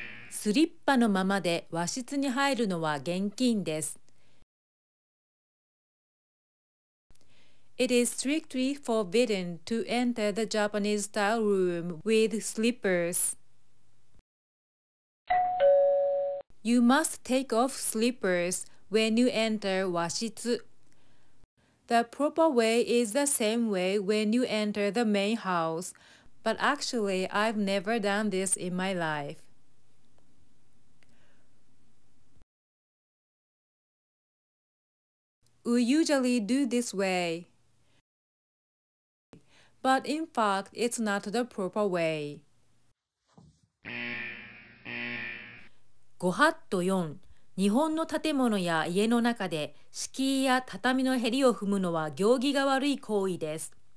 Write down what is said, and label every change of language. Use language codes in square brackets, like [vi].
[ja] スリッパのままで和室に入るのは厳禁です。 [en] It is strictly forbidden to enter the Japanese style room with slippers. You must take off slippers when you enter 和室. The proper way is the same way when you enter the main house, but actually I've never done this in my life. We usually do this way. But in fact, it's not the proper way. Gohatto 4. [ja] 日本の建物や家の中で敷居や畳のへりを踏むのは行儀が悪い行為です。